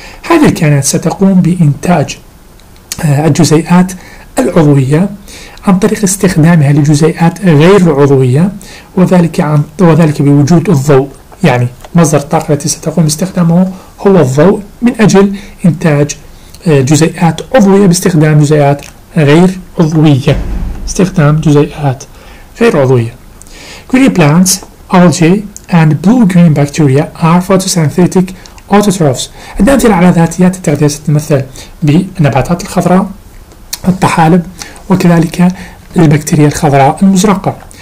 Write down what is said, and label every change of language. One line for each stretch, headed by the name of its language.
Arabic: هذه الكائنات ستقوم بإنتاج الجزيئات العضوية عن طريق استخدامها لجزيئات غير عضوية، وذلك بوجود الضوء، يعني مصدر الطاقة التي ستقوم باستخدامه هو الضوء من أجل إنتاج جزيئات عضوية باستخدام جزيئات غير عضوية.
English: Green plants, algae, and blue-green bacteria are photosynthetic autotrophs.
Arabic: عندنا أمثلة على ذاتيات التغذية ستتمثل بالنباتات الخضراء، الطحالب، وكذلك البكتيريا الخضراء المزرقة.